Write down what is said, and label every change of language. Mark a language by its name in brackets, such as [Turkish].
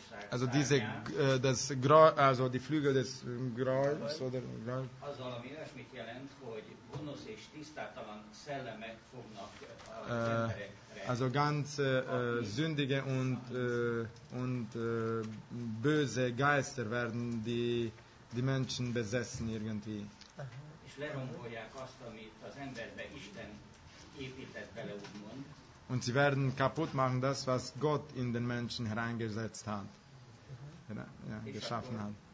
[German] Also diese, das Graul, also die Flügel des Grauls, oder Graul. [Hungarian] Azzal, ami ilyesmit jelent, hogy gonosz és tisztátalan szellemek fognak az emberekre. [German] Also ganz sündige und böse Geister werden die Menschen besessen irgendwie. [Hungarian] És lerombolják azt, amit az emberbe Isten épített bele, úgymond. [German] Und sie werden kaputt machen das, was Gott in den Menschen hereingesetzt hat. Ja, geschaffen hat.